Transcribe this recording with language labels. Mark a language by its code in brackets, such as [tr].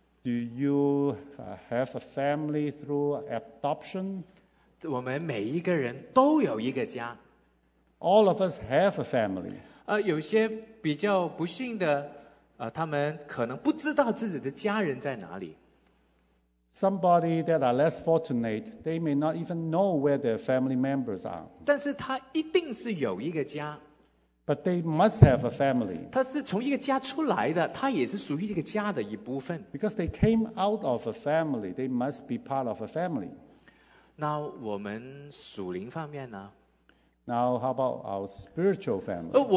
[en] Do you have a family through adoption? [zh] 我们每一个人都有一个家。 [en] All of us have a family. [zh] 有些比较不幸的，他们可能不知道自己的家人在哪里。 [en] Somebody that are less fortunate, they may not even know where their family members are. [zh] 但是他一定是有一个家。 [en] But they must have a family. [zh] 他是从一个家出来的，他也是属于一个家的一部分。 [en] Because they came out of a family, they must be part of a family. [zh] 那我们属灵方面呢？ [en] Now, how about our spiritual family?